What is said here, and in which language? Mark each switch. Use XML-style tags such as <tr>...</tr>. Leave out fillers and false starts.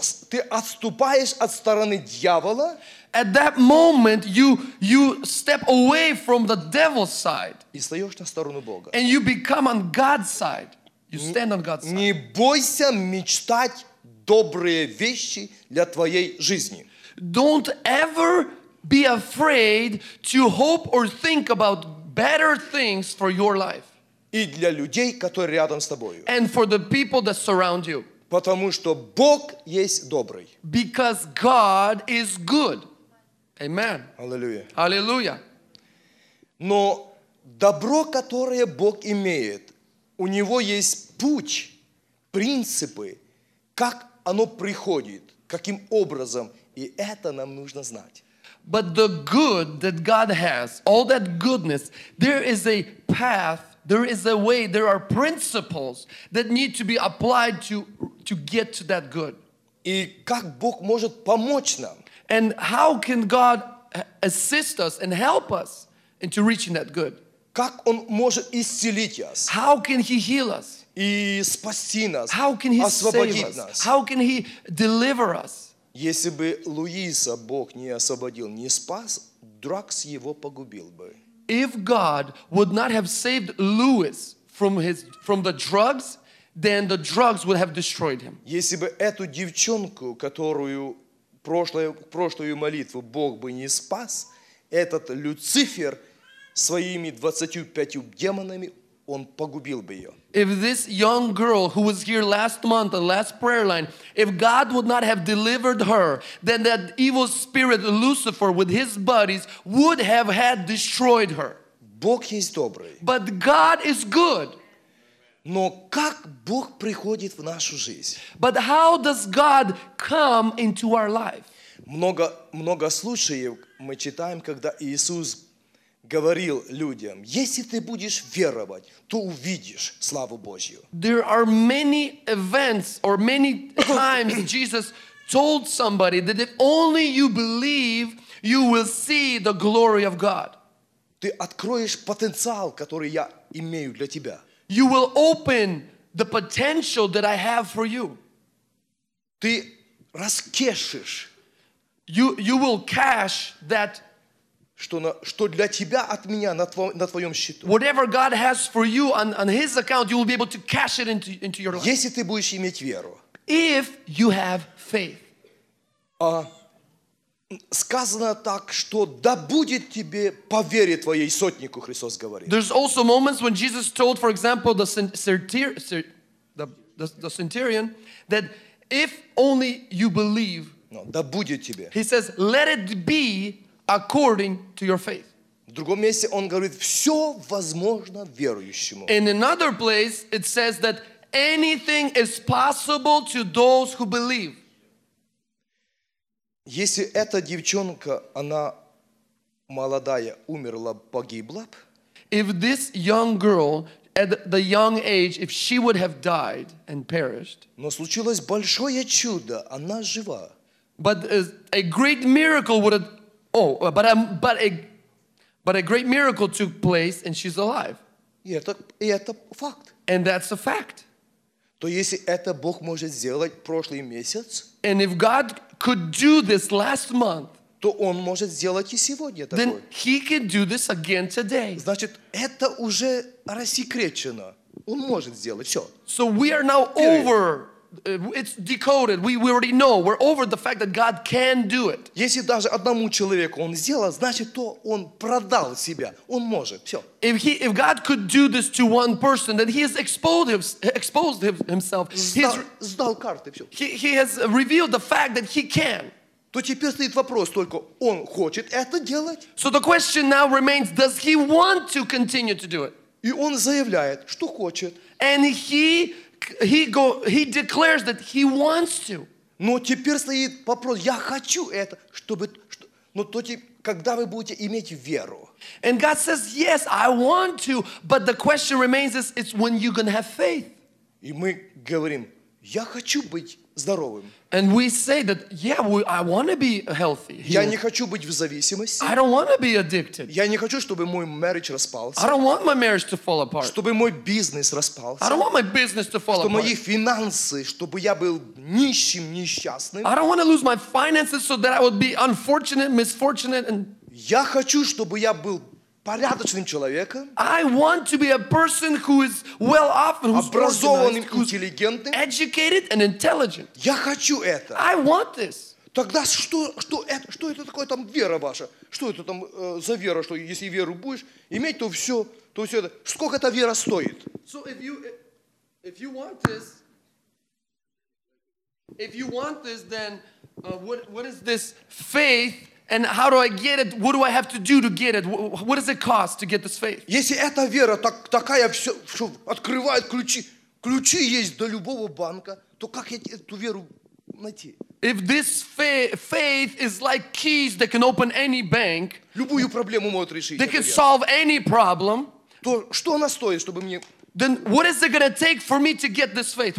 <ru>Ты отступаешь от стороны дьявола.</ru> <en>At that moment, you step away from the devil's side.</en> <ru>И стоишь на сторону Бога.</ru> <en>And you become on God's side. You stand on God's side.</en> <ru>Не бойся мечтать добрые вещи для твоей жизни.</ru> <en>Don't ever be afraid to hope or think about better things for your life.</en> <ru>И для людей, которые рядом с тобою.</ru> <en>And for the people that surround you.</en> <ru>Потому что Бог есть добрый.</ru> <en>Because God is good. Amen.</en> <ru>Аллилуйя. Аллилуйя. Но добро, которое Бог имеет, у него есть путь, принципы, как оно приходит, каким образом, и это нам нужно знать.</ru> <en>But the good that God has, all that goodness, there is a path, there is a way, there are principles that need to be applied to get to that good.</en> <ru>И как Бог может помочь нам?</ru> <en>And how can God assist us and help us into reaching that good?</en> <ru>Как он может исцелить нас?</ru> <en>How can he heal us?</en> <ru>И спасти нас?</ru> <en>How can he</en> <ru>освободить</ru> <en>save</en> <ru>нас?</ru> <en>Us? How can he deliver us?</en> <ru>Если бы Луиса Бог не освободил, не спас, Дракс его погубил бы.</ru> <en>If God would not have saved Louis from the drugs, then the drugs would have destroyed him.</en> <ru>Если бы эту девчонку, которую прошлую молитву Бог бы не спас, этот Люцифер своими 25 демонами, он погубил бы ее.</ru> <en>If this young girl who was here last month on last prayer line, if God would not have delivered her, then that evil spirit Lucifer with his buddies would have had destroyed her.</en> <ru>Бог есть добрый.</ru> <en>But God is good.</en> <ru>Но как Бог приходит в нашу жизнь?</ru> <en>But how does God come into our life?</en> <ru>Много случаев мы читаем, когда Иисус говорил людям, если ты будешь веровать, то увидишь славу Божью.</ru> <en>There are many events or many times Jesus told somebody that if only you believe, you will see the glory of God.</en> <ru>Ты откроешь потенциал, который я имею для тебя.</ru> <en>You will open the potential that I have for you.</en> <ru>Ты раскешишь.</ru> <en>You will cash that.</en> <ru>Что для тебя от меня на твоем счету.</ru> <en>Whatever God has for you on his account, you will be able to cash it into your life.</en> <ru>Если ты будешь иметь веру.</ru> <en>If you have faith.</en> <ru>Сказано так, что да будет тебе по вере твоей сотнику, Христос говорит.</ru> <en>There's also moments when Jesus told, for example, the centurion, that if only you believe,</en> <ru>no, да будет тебе.</ru> <en>He says, let it be according to your faith.</en> <ru>В другом месте он говорит, все возможно верующему.</ru> <en>In another place, it says that anything is possible to those who believe.</en> <ru>Если эта девчонка, она молодая, умерла, погибла б.</ru> <en>If this young girl, at the young age, if she would have died and perished.</en> <ru>Но случилось большое чудо, она жива.</ru> <en>But a great miracle would have. Oh, but a great miracle took place and she's alive.</en> <ru>И это факт.</ru> <en>And that's a fact.</en> <ru>То если это Бог может сделать прошлый месяц.</ru> <en>And if God could do this last month.</en> <ru>то он может сделать и сегодня такое.</ru> <en>Then he can do this again today.</en> <ru>Значит, это уже рассекречено. Он может сделать все.</ru> <en>So we are now over. It's decoded. We already know. We're over the fact that God can do it.</en> <ru>Если даже одному человеку он сделал, значит, то он продал себя. Он может. Все.</ru> <en>If God could do this to one person, then he has exposed himself.</en> <ru>Сдал карты. Все.</ru> <en>He has revealed the fact that he can.</en> <ru>То теперь стоит вопрос только, он хочет это делать?</ru> <en>So the question now remains, does he want to continue to do it?</en> <ru>И он заявляет, что хочет.</ru> <en>And he declares that he wants to.</en> <ru>Но теперь стоит вопрос, я хочу это, чтобы, но то теперь, когда вы будете иметь веру?</ru> <en>And God says, yes, I want to, but the question remains, it's when you're going to have faith.</en> <ru>И мы говорим, я хочу быть здоровым.</ru> <en>And we say that, yeah, I want to be healthy.</en> <ru>Я не хочу быть в зависимости.</ru> <en>I don't want to be addicted.</en> <ru>Я не хочу, чтобы мой marriage распался.</ru> <en>I don't want my marriage to fall apart.</en> <ru>Чтобы мой бизнес распался.</ru> <en>I don't want my business to fall apart.</en> <ru>мои финансы, чтобы я был нищим, несчастным.</ru> <en>I don't want to lose my finances so that I would be unfortunate, misfortunate. And</en> <ru>я хочу, чтобы я был порядочным человеком.</ru> <en>I want to be a person who is well off, who's</en> <ru>образованным,</ru> <en>who's</en> <ru>интеллигентным.</ru> <en>Educated and intelligent.</en> <ru>Я хочу это.</ru> <en>I want this.</en> <ru>Тогда что это такое там вера ваша? Что это там за вера, что если веру будешь иметь, то все это. Сколько эта вера стоит?</ru> <en>So if you want this, then what is this faith? And how do I get it? What do I have to do to get it? What does it cost to get this faith?</en> <ru>Если эта вера такая, что открывает ключи есть до любого банка, то как эту веру найти?</ru> <en>If this faith is like keys that can open any bank,</en> <ru>любую проблему может решить.</ru> <en>They can solve any problem.</en> <ru>То что она стоит, чтобы мне? Then what is it going to take for me to get this faith?</ru>